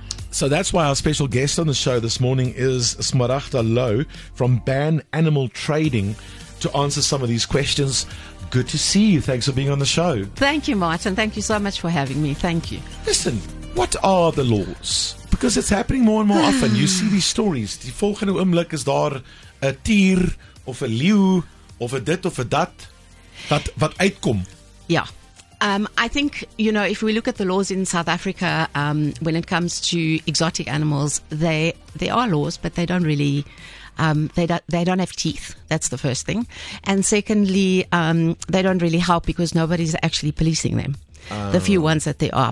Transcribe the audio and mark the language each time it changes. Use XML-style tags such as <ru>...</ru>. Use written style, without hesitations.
<en>So that's why our special guest on the show this morning is Smaragda Louw from Ban Animal Trading to answer some of these questions. Good to see you. Thanks for being on the show. Thank you, Martin. Thank you so much for having me. Thank you. Listen, what are the laws? Because it's happening more and more often. You see these stories.</en> <af>Die volgende oomblik is daar 'n tier of 'n leeu of 'n dit of 'n dat wat uitkom. Ja. Yeah.</af> <en>I think, you know, if we look at the laws in South Africa, when it comes to exotic animals, they are laws, but they don't really, they don't have teeth. That's the first thing. And secondly, they don't really help because nobody's actually policing them, the few ones that they are.</en>